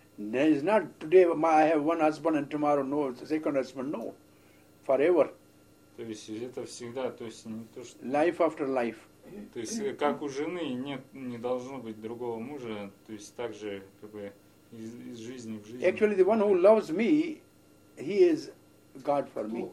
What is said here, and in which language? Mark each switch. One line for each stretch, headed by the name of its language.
English: No, it's not today I have one husband and tomorrow no, second husband, no. Forever.
Russian: То есть это всегда, то есть не то, что...
English: Life after life.
Russian: То есть как у жены нет, не должно быть другого мужа, то есть так же как бы из жизни в жизнь.
English: Actually, the one who loves me, he is God for me.